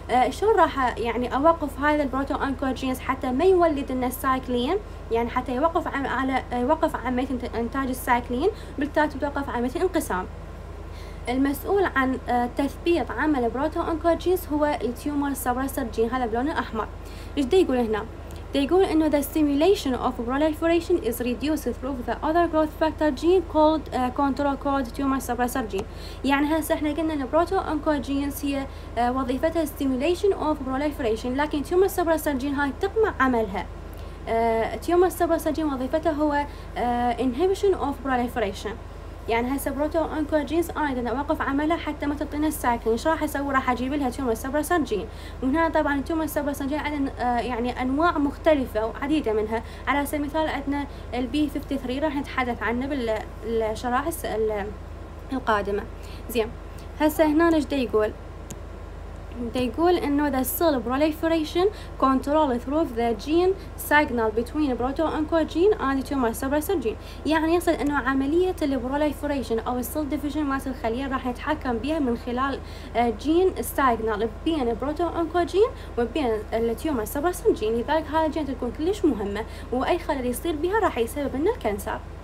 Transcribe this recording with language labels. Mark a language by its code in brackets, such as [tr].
[ar] شلون راح يعني أوقف هذا البروتو أونكوجينز حتى ما يولد لنا السايكلين؟ يعني حتى يوقف على يوقف عملية إنتاج السايكلين، بالتالي توقف عملية الانقسام. المسؤول عن تثبيط عمل البروتو أونكوجينز هو التيومر سبرسر جين، هذا بلون أحمر. إيش دي يقول هنا؟ دي يقول إنه [en] the stimulation of proliferation is reduced through the other growth factor gene called control code tumor suppressor gene. [ar] يعني هسه إحنا قلنا إن البروتو أونكوجينز هي وظيفتها stimulation of proliferation، لكن tumor suppressor gene هاي تقمع عملها. [en] tumor suppressor gene [ar] وظيفته هو [en] inhibition of proliferation. [ar] يعني هسه بروتو أونكوجينز أنا بدنا أوقف عملها حتى ما تعطينا السايكلين، إيش راح أسوي؟ راح أجيب لها تيومر سبرسر جين. وهنا طبعاً تيومر سبرسر جين عندنا يعني أنواع مختلفة وعديدة منها. على سبيل المثال عندنا البي 53 راح نتحدث عنه بالشرائح القادمة. زين هسه هنا إيش دا يقول؟ They يقول إنه [en] the cell proliferation control through the gene signal between proto-oncogene and tumor suppressor gene. [ar] يعني يصل إنه عملية ال proliferation أو cell division مات الخلية راح يتحكم بها من خلال gene signal بين proto-oncogene وبين ال tumor suppressor gene. لذلك هذا الجين تكون كلش مهمة، وأي خلل يصير بها راح يسبب لنا الكانسر.